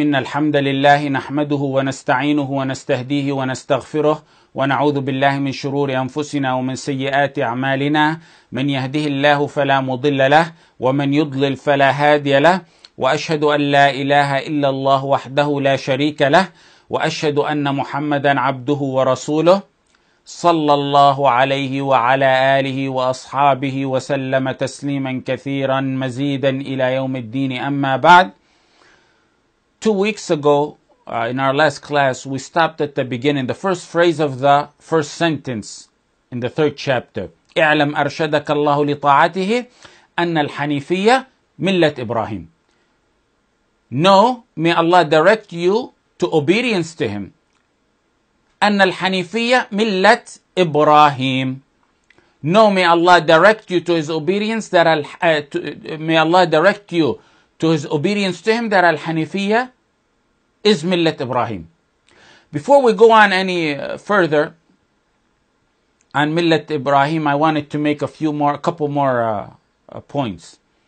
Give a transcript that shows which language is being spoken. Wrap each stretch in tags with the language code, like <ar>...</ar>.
<ar>إن الحمد لله نحمده ونستعينه ونستهديه ونستغفره ونعوذ بالله من شرور أنفسنا ومن سيئات أعمالنا، من يهده الله فلا مضل له ومن يضلل فلا هادي له، وأشهد أن لا إله إلا الله وحده لا شريك له، وأشهد أن محمدا عبده ورسوله صلى الله عليه وعلى آله وأصحابه وسلم تسليما كثيرا مزيدا إلى يوم الدين. أما بعد،</ar> <en>2 weeks ago, in our last class, we stopped at the beginning, the first phrase of the first sentence in the third chapter.</en> <ar>اعلم أرشدك الله لطاعته أن الحنيفية ملة إبراهيم.</ar> <en>No, may Allah direct you to obedience to Him.</en> <ar>أن الحنيفية ملة إبراهيم.</ar> <en>No, may Allah direct you to His obedience. That الحنيفية is Millat Ibrahim. Before we go on any further on Millat Ibrahim, I wanted to make a couple more points.</en>